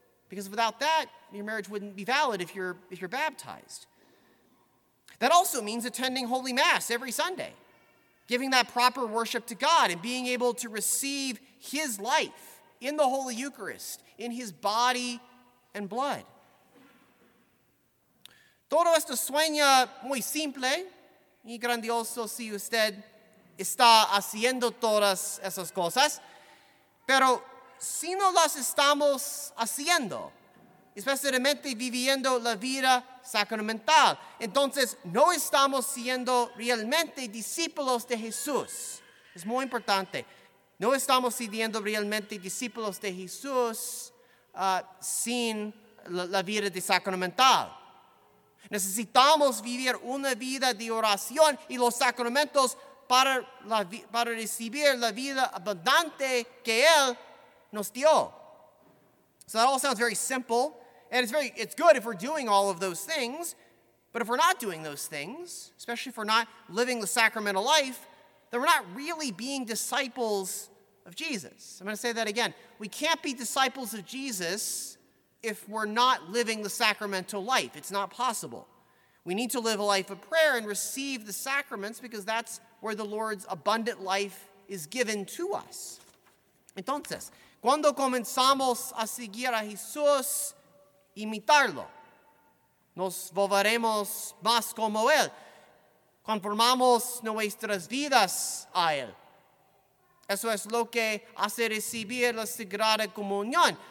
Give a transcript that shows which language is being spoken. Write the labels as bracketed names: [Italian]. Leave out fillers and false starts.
[English] Because without that, your marriage wouldn't be valid if you're baptized. That also means attending Holy Mass every Sunday, giving that proper worship to God and being able to receive His life in the Holy Eucharist, in His body and blood. [Spanish] Todo esto sueña muy simple y grandioso si usted está haciendo todas esas cosas, pero si no las estamos haciendo, especialmente viviendo la vida sacramental, entonces no estamos siendo realmente discípulos de Jesús. Es muy importante. No estamos siendo realmente discípulos de Jesús sin la vida de sacramental. Necesitamos vivir una vida de oración y los sacramentos para recibir la vida abundante que Él nos dio. [English] So that all sounds very simple, and it's good if we're doing all of those things, but if we're not doing those things, especially if we're not living the sacramental life, then we're not really being disciples of Jesus. I'm going to say that again. We can't be disciples of Jesus if we're not living the sacramental life. It's not possible. We need to live a life of prayer and receive the sacraments because that's where the Lord's abundant life is given to us. [Spanish] Entonces, cuando comenzamos a seguir a Jesús, imitarlo, nos volveremos más como Él. Conformamos nuestras vidas a Él. Eso es lo que hace recibir la Sagrada Comunión.